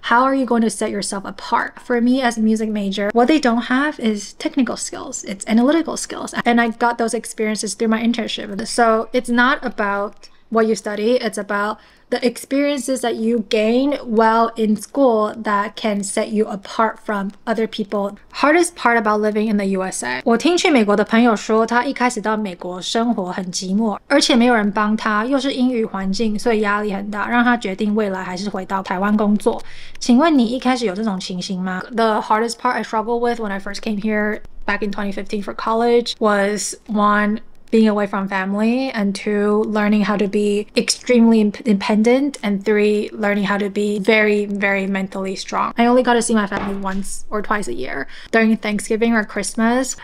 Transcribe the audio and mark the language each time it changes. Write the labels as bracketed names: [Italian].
[English] How are you going to set yourself apart? For me as a music major, what they don't have is technical skills. It's analytical skills. And I got those experiences through my internship. So it's not about what you study. It's about the experiences that you gain while in school that can set you apart from other people. Hardest part about living in the USA. [Chinese] 我听去美国的朋友说，他一开始到美国生活很寂寞，而且没有人帮他，又是英语环境，所以压力很大，让他决定未来还是回到台湾工作。请问你一开始有这种情形吗？ [English] The hardest part I struggled with when I first came here back in 2015 for college was one,being away from family, and two, learning how to be extremely independent, and three, learning how to be very, very mentally strong. I only got to see my family once or twice a year during Thanksgiving or Christmas.